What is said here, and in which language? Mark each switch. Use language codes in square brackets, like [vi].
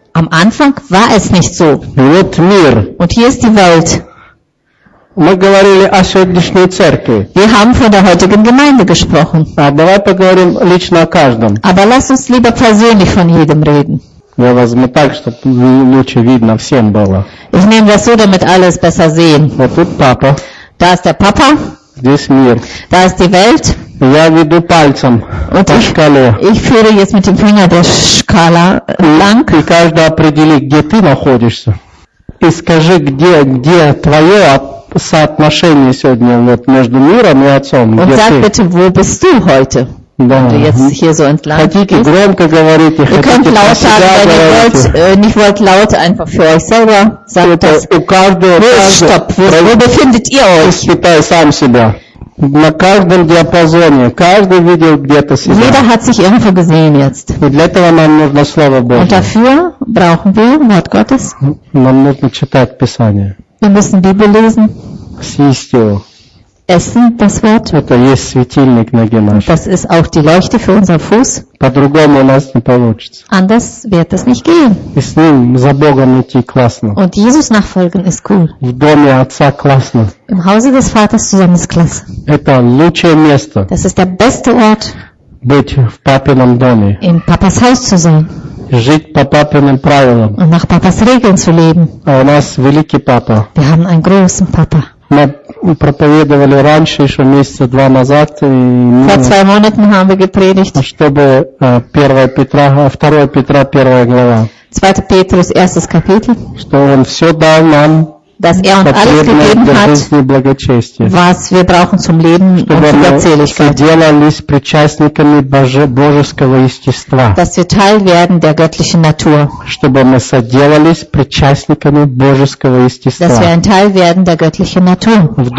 [de] am Anfang war es nicht so. Und hier ist die Welt. [ru] Мы говорили о сегодняшней церкви. [de] Wir haben von der heutigen Gemeinde gesprochen. [ru] А давай поговорим лично о каждом. [de] Aber lass uns lieber persönlich von jedem reden. [ru] Я возьму так, чтобы лучше видно всем было. [de] Ich nehme das so, damit alle es besser sehen. [ru] Вот тут папа. [de] Da ist der Papa. [ru] Здесь мир. [de] Da ist die Welt. [ru] Я веду пальцем по шкале. [de] Ich führe jetzt mit dem Finger der Skala lang. [ru] И каждый определи, где ты находишься. И скажи, где твое соотношение сегодня вот между миром и отцом. [de] Und [ru] ты? [de] Bitte, wo bist du heute? [ru] Да. [de] Wenn du jetzt hier so entlang [ru] хотите [de] bist. [ru] Громко говорить, [de] ihr könnt laut sagen, wenn ihr wollt, nicht wollt laut, einfach für euch selber sagt das. Wo befindet ihr euch? Ich bitte [ru] сам себя. На каждом диапазоне, каждый видел где-то себя. [de] Jeder hat sich irgendwo gesehen jetzt. [ru] И для этого нам нужно Слово Божье. [de] Und dafür brauchen wir Wort Gottes. [ru] Нам нужно читать Писание. [de] Wir müssen Bibel lesen. [ru] С истину. [de] Essen das Wort. [ru] Это есть светильник ноги нашей. [de] Das ist auch die Leuchte für unseren Fuß. [ru] По-другому у нас не получится. [de] Anders wird es nicht gehen. [ru] И с ним за Богом идти классно. [de] Und Jesus nachfolgen ist cool. [ru] В доме Отца классно. [de] Im Hause des Vaters zusammen ist klasse. [ru] Это лучшее место. [de] Das ist der beste Ort. [ru] Быть в папином доме. [de] In Papas Haus zu sein. [ru] Жить по папиным правилам. [de] Und nach Papas Regeln zu leben. [ru] А у нас великий папа. [de] Wir haben einen großen Papa. [ru] Мы проповедовали раньше, еще месяца два назад. [de] Vor zwei Monaten haben wir gepredigt. [ru] Чтобы 1 Петра, 2 Петра, 1 глава. [de] 2 Петрус, 1 Kapitel. [ru] Что он все дал нам. [de] Dass er uns alles gegeben hat, was wir brauchen zum Leben und zur Gottseligkeit. Dass wir Teil werden der göttlichen Natur. Dass wir ein Teil werden der göttlichen Natur.